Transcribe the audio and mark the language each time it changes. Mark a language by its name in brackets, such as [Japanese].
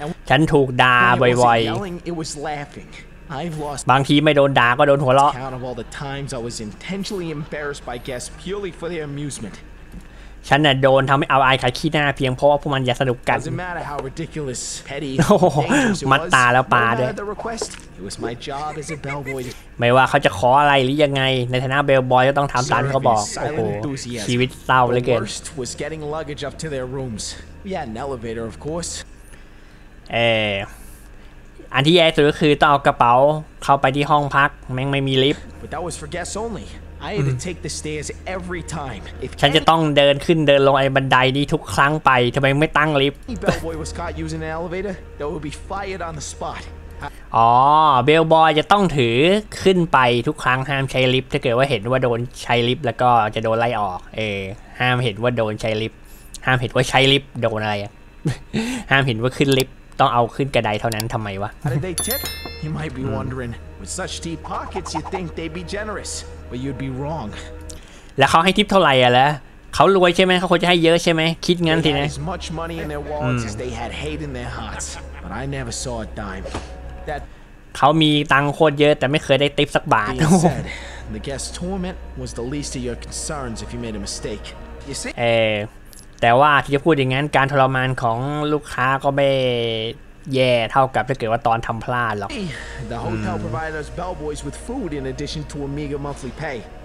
[Thai] ฉันถูกด่าบ่อยๆ [English] yelling, it was laughing. I've lost. [Thai] บางทีไม่โดนด่าก็โดนหัวเราะ [English] Count of all the times I was intentionally embarrassed by guests purely for their amusement. [Thai] ฉันน่ะโดนทำให้อับอายขายขี้หน้าเพียงเพราะว่าพวกมันอยากสนุกกัน [English] Doesn't matter how ridiculous, petty, dangerous. [Thai] มัดตาแล้วปาด้วย [English] It was my job as a bellboy. [Thai] ไม่ว่าเขาจะขออะไรหรือยังไงในฐานะเบลบอยก็ต้องทำตามที่เขาบอกโอ้โหชีวิตเศร้าเลยเกิน [English] Worst was getting luggage up to their rooms. We had an elevator, of course. [Thai] อันที่แย่สุดก็คือต้องเอากระเป๋าเข้าไปที่ห้องพักแม่งไม่มีลิฟต์ [English] But that was for guests only. I had to take the stairs every time. [Thai] If ฉันจะต้องเดินขึ้นเดินลงไอ้บันไดนี้ทุกครั้งไปทำไมไม่ตั้งลิฟต์ [English] Bellboy was caught using an elevator. They would be fired on the spot. [Thai] อ๋อเบลบอยจะต้องถือขึ้นไปทุกครั้งห้ามใช้ลิฟต์ถ้าเกิดว่าเห็นว่าโดนใช้ลิฟต์แล้วก็จะโดนไล่ออกเอห้ามเห็นว่าโดนใช้ลิฟต์ห้ามเห็นว่าใช้ลิฟต์โดนอะไรอ่ะ ห้ามเห็นว่าขึ้นลิฟต์ต้องเอาขึ้นกระไดเท่านั้นทำไมวะ [English] How did they tip? You might be wondering. With such deep pockets, you'd think they'd be generous, but you'd be wrong. [Thai] แล้วเขาให้ทิปเท่าไหร่อ่ะล่ะเขารวยใช่ไหมเขาควรจะให้เยอะใช่ไหมคิดงั้นสินะ [English] As much money in their wallets as they had hate in their hearts, but I never saw a dime [Thai] เขามีตังค์โคตรเยอะแต่ไม่เคยได้ติปสักบาท [English] The guest torment was the least of your concerns if you made a mistake. You see? [Thai] แต่ว่าที่จะพูดอย่างนั้นการทรมานของลูกค้าก็ไม่แย่เท่ากับถ้าเกิดว่าตอนทำพลาดหรอก [English] The hotel provided us bellboys with food in addition to a meager monthly pay.